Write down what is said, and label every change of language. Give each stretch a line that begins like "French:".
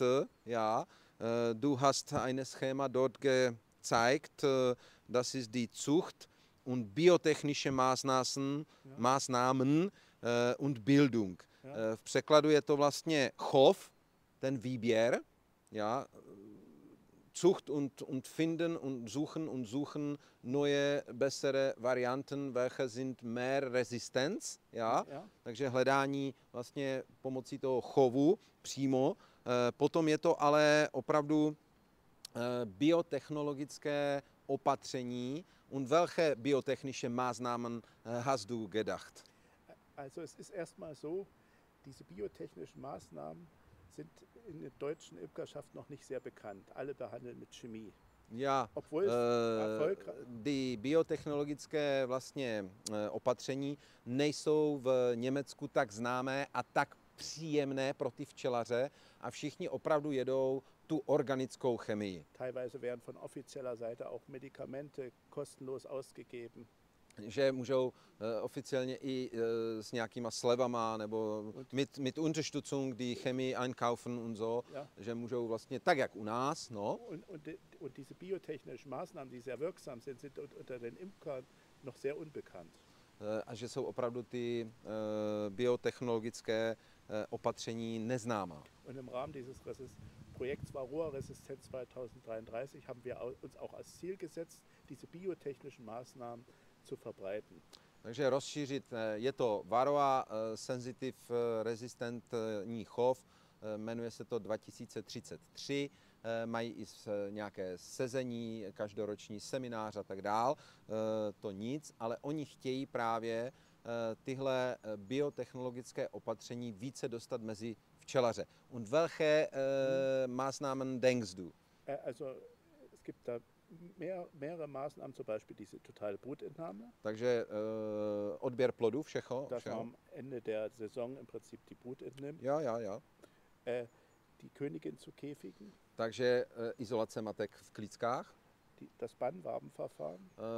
German: Du hast ein Schema dort gezeigt, das ist die Zucht und biotechnische Maßnahmen und Bildung.
Czech: V překladu je to vlastně chov, ten výběr.
German: Ja, Zucht und finden und suchen neue bessere Varianten, welche sind mehr Resistenz. Ja.
Czech: Takže hledání vlastně pomocí toho chovu přímo Potom je to ale opravdu biotechnologické opatření.
German: Und welche biotechnische Maßnahmen hast du gedacht? Also es ist erstmal so, diese biotechnischen Maßnahmen sind in der deutschen Imkerschaft noch nicht sehr bekannt. Alle behandeln mit Chemie. Ja, obwohl die
Czech: biotechnologické vlastně opatření nejsou v Německu tak známé a tak příjemné pro ty včelaře a všichni opravdu jedou tu organickou chemii.
German: Teilweise werden von offizieller Seite auch Medikamente kostenlos ausgegeben.
Czech: Že můžou oficiálně i s nějakýma slevama nebo
German: mit Unterstützung die Chemie einkaufen und so, ja.
Czech: Že můžou vlastně tak jak u nás, no.
German: Und diese biotechnischen Maßnahmen, die sehr wirksam sind, sind unter den Imkern noch sehr unbekannt.
Czech: A že jsou opravdu ty biotechnologické opatření neznámá.
German: Und im Rahmen dieses Projekts Varroa-Resistenz 2033 haben wir uns auch als Ziel gesetzt, diese biotechnischen Maßnahmen zu verbreiten.
Czech: Takže rozšířit, je to Varroa Sensitive Resistantní chov, jmenuje se to 2033, mají i nějaké sezení, každoroční seminář a tak dál, to nic, ale oni chtějí právě tyhle biotechnologické opatření více dostat mezi včelaře.
German: Und welche Maßnahmen denkst du? Also, es gibt da mehrere Maßnahmen, zum Beispiel diese totale Brutentnahme.
Czech: Takže odběr plodu, všeho.
German: Dass man am Ende der Saison im Prinzip die Brut entnimmt. Ja, ja, ja. Die Königin zu Käfigen.
Czech: Takže izolace matek v klíckách.
German: Das Bannwabenverfahren.